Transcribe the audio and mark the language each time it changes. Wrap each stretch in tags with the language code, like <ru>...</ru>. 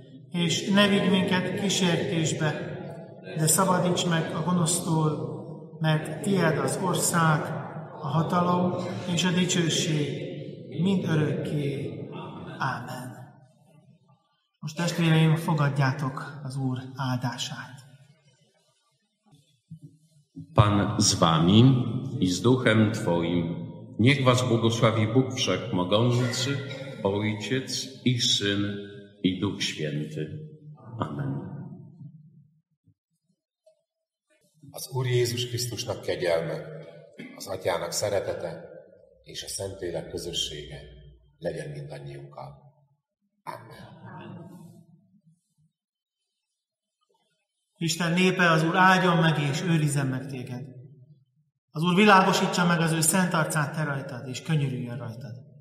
<hu>És ne vigy minket kísértésbe, de szabadíts meg a gonosztól, mert Tied az ország, a hatalom és a dicsőség mind örökké. Amen. Most testvéreim, fogadjátok az Úr áldását.</hu> <pl>Pan z vami i z duchem Twoim, niech was błogosławi Bóg Wszechmogący, Ojciec i Syn i Duch Święty.</pl> <hu>Amen. Az Úr Jézus Krisztusnak kegyelme, az Atyának szeretete és a Szentlélek közössége legyen mindannyiunkkal. Amen. Isten népe, az Úr áldjon meg és őrizzen meg téged. Az Úr világosítsa meg az ő szent arcát te rajtad, és könyörüljön rajtad.</hu>